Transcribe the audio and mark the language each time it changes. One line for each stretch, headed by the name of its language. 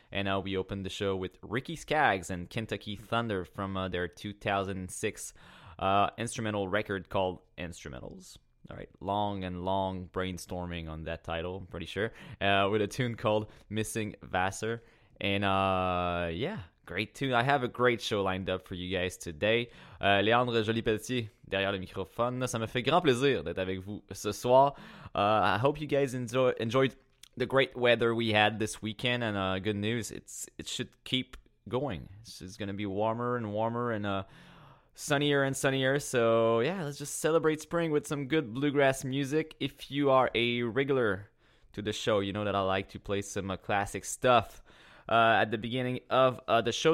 English: And we opened the show with Ricky Skaggs and Kentucky Thunder from their 2006 instrumental record called Instrumentals. All right, long and long brainstorming on that title, I'm pretty sure, with a tune called Missing Vassar. And yeah. Great tune. I have a great show lined up for you guys today.
French: Léandre Joly-Pelletier, derrière le microphone. Ça me fait grand plaisir d'être avec vous ce soir.
English: I hope you guys enjoyed the great weather we had this weekend. And good news, it should keep going. It's going to be warmer and warmer and sunnier and sunnier. So yeah, let's just celebrate spring with some good bluegrass music. If you are a regular to the show, you know that I like to play some classic stuff at the beginning of the show.